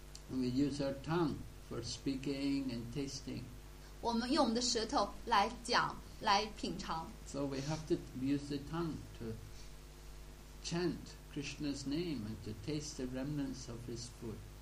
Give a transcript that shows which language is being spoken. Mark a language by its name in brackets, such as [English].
[English] we use our tongue for speaking and tasting. [Chinese] 我们用我们的舌头来讲来品尝 [English] so we have to use the tongue to chant Krishna's name and to taste the remnants of his food.